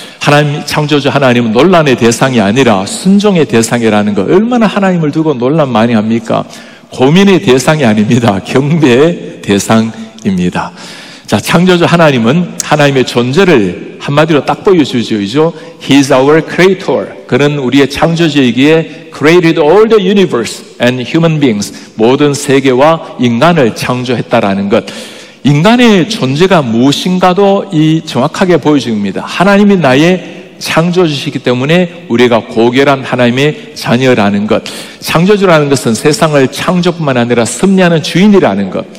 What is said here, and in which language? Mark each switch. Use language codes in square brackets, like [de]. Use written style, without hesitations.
[ko] 하나님, 창조주 하나님은 논란의 대상이 아니라 순종의 대상이라는 거, 얼마나 하나님을 두고 논란 많이 합니까? 고민의 대상이 아닙니다. 경배의 대상입니다. 자, 창조주 하나님은 하나님의 존재를 한마디로 딱 보여주죠. 그죠? [en] He is our creator. [ko] 그는 우리의 창조주이기에 [en] created all the universe and human beings. [ko] 모든 세계와 인간을 창조했다라는 것. 인간의 존재가 무엇인가도 이 정확하게 보여줍니다. 하나님이 나의 창조주시기 때문에 우리가 고결한 하나님의 자녀라는 것. 창조주라는 것은 세상을 창조뿐만 아니라 섭리하는 주인이라는 것.